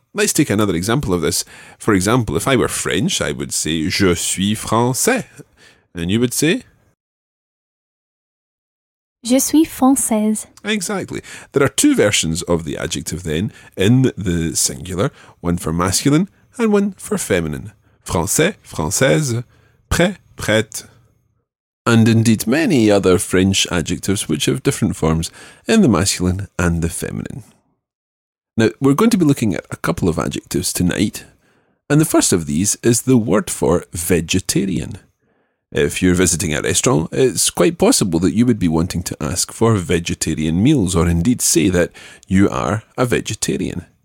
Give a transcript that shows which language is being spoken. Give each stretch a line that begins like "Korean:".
English: Let's take another example of this. For example, if I were French, I would say
French: je suis français.
English: And you would say?
French: Je suis française.
English: Exactly. There are two versions of the adjective then in the singular, one for masculine and one for feminine.
French: Français, française, prêt, prête.
English: And indeed many other French adjectives which have different forms in the masculine and the feminine. Now, we're going to be looking at a couple of adjectives tonight, and the first of these is the word for vegetarian. If you're visiting a restaurant, it's quite possible that you would be wanting to ask for vegetarian meals, or indeed say that you are a vegetarian.